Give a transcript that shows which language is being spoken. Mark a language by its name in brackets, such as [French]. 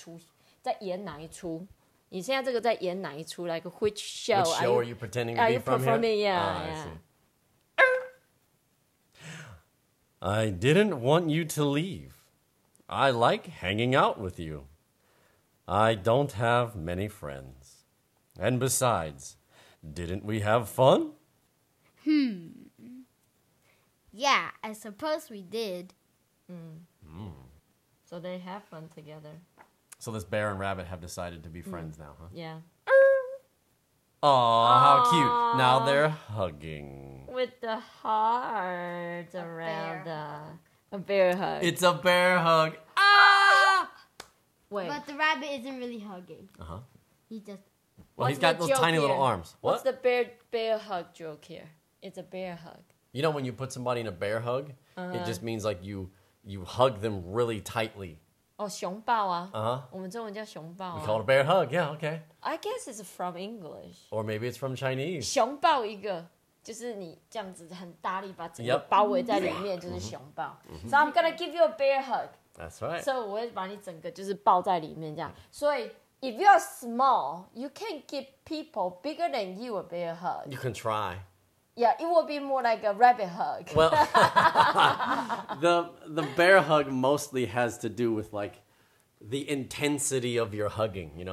[Chinese] 一出戏。所以现在有一种很流行的用法，就是你这是哪一出，在演哪一出。你现在这个在演哪一出? [English] Like, which show? Which show are you pretending to be from here? Yeah, yeah. I didn't want you to leave. I like hanging out with you. I don't have many friends. And besides, didn't we have fun? Yeah, I suppose we did. So they have fun together. So this bear and rabbit have decided to be friends now, huh? Yeah. Aww, how cute. Now they're hugging. With the heart around a bear hug. It's a bear hug. Ah! Wait. But the rabbit isn't really hugging. Uh-huh. He just... Well, he's got those tiny little arms. What? What's the bear hug joke here? It's a bear hug. You know when you put somebody in a bear hug, it just means like you hug them really tightly. [Chinese] Oh, 熊抱啊, 我们中文叫熊抱啊。 [English] We call it a bear hug, yeah, okay. I guess it's from English. Or maybe it's from Chinese. [Chinese] 熊抱一个, 就是你这样子很大力把整个包围在里面, 就是熊抱。 [English] So I'm gonna give you a bear hug. That's right. [Chinese] So 我会把你整个就是抱在里面这样。 [English] 所以, if you're small, you can give people bigger than you a bear hug. You can try. Yeah, it will be more like a rabbit hug. Well, the bear hug mostly has to do with like the intensity of your hugging, you know?